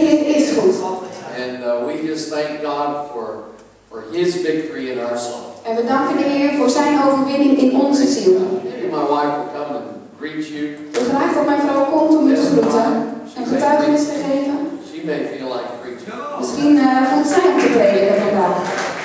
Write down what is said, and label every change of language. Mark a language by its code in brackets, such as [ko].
[en] Thank God for His victory in our soul. [nl] En we danken de Heer voor zijn overwinning in onze ziel. [en] Maybe my wife will come and greet you. [nl] Ik vraag dat mijn vrouw komt om u te groeten en getuigenis te geven. [en] She may feel like preaching. [nl] Misschien voelt zij om te prediken vandaag.